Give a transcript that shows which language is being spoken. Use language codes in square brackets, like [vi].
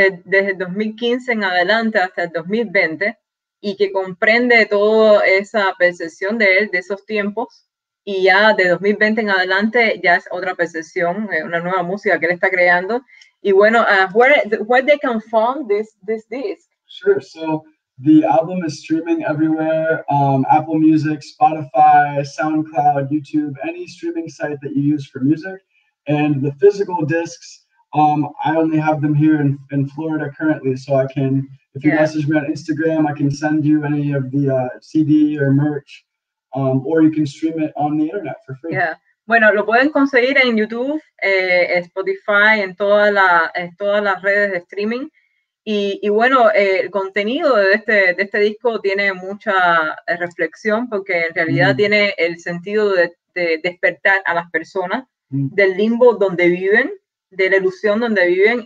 [es] Desde 2015 en adelante hasta el 2020, y que comprende toda esa percepción de él, de esos tiempos, y ya de 2020 en adelante ya es otra percepción, una nueva música que él está creando. Y bueno, [en] where they can find this disc? Sure, so the album is streaming everywhere, Apple Music, Spotify, SoundCloud, YouTube, any streaming site that you use for music. And the physical discs, I only have them here in Florida currently, so I can, if you message me on Instagram, I can send you any of the CD or merch, or you can stream it on the internet for free. Yeah. [es] Bueno, lo pueden conseguir en YouTube, Spotify, en todas las redes de streaming. Y bueno, el contenido de este disco tiene mucha reflexión porque en realidad tiene el sentido de despertar a las personas del limbo donde viven, de la ilusión donde viven.